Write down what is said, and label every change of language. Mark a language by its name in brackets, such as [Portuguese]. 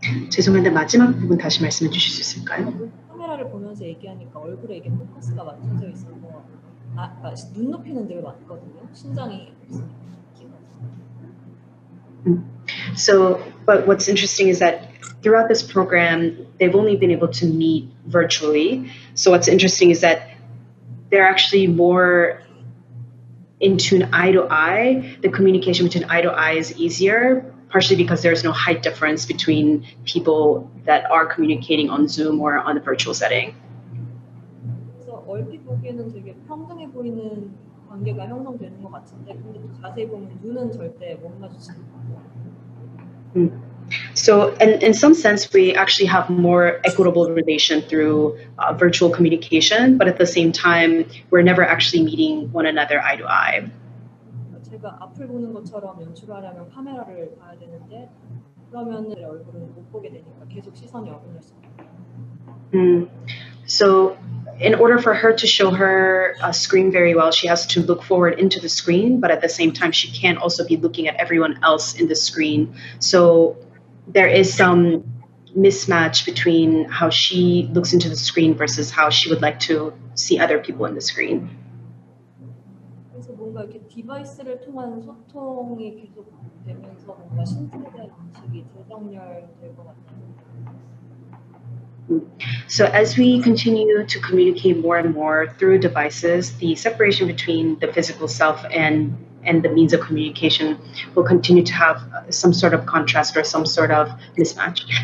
[Korean] 죄송한데 마지막 부분 다시 말씀해 주실 수 있을까요? 카메라를 보면서 얘기하니까 얼굴에 이게 포커스가 맞춰져 있어서 눈높이는 늘 맞거든요. 신장이 [English] So, but what's interesting is that throughout this program, they've only been able to meet virtually. So what's interesting is that they're actually more in tune eye to eye. The communication between eye to eye is easier, partially because there's no height difference between people that are communicating on Zoom or on a virtual setting. [Korean] So 얼핏 보기에는 되게 평등해 보이는 관계가 형성되는 것 같은데, 근데 또 자세히 보면 눈은 절대 못 마주치는 것 같아요. [English] So, and in some sense, we actually have more equitable relation through virtual communication, but at the same time, we're never actually meeting one another eye to eye. [Korean] 제가 앞을 보는 것처럼 연출하려면 카메라를 봐야 되는데, 그러면 얼굴을 못 보게 되니까 계속 시선이 어긋날 수 있어요. [English] So, in order for her to show her screen very well, she has to look forward into the screen, but at the same time, she can't also be looking at everyone else in the screen. So there is some mismatch between how she looks into the screen versus how she would like to see other people in the screen. [Korean] 뭔가 이렇게 디바이스를 통한 소통이 계속 되면서 뭔가 신체에 대한 인식이 재정렬될 것 같아요. [English] So as we continue to communicate more and more through devices, the separation between the physical self and the means of communication will continue to have some sort of contrast or some sort of mismatch.